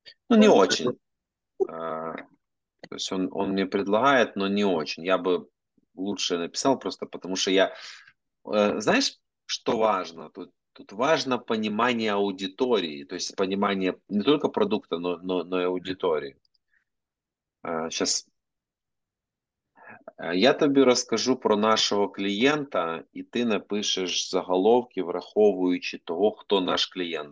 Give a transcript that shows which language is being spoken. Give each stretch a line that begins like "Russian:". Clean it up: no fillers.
Ukrainian: Ну, не дуже. Тобто він мені предлагає, але не дуже. Я би краще написав просто, тому що я... знаєш,
Russian: что важно? Тут важно понимание аудитории, то есть понимание не только продукта, но и аудитории. Сейчас.
Ukrainian: Я тобі розкажу про нашого клієнта, і ти напишеш заголовки, враховуючи того, хто наш клієнт.